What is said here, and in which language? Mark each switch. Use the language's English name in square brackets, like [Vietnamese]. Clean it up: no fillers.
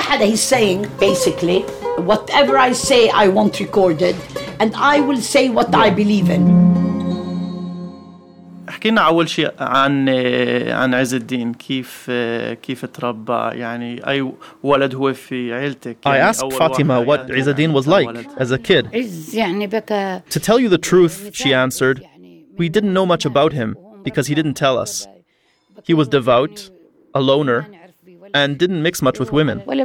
[English] He's saying, basically, whatever I say, I want recorded, and I will say what I believe in. [Arabic] حكينا أول شيء عن عز الدين كيف تربى يعني أي ولد هو في عيلتك. [English] I asked Fatima what عز الدين was like as a kid. To tell you the truth, she answered, we didn't know much about him because he didn't tell us. He was devout, a loner, and didn't mix much with women.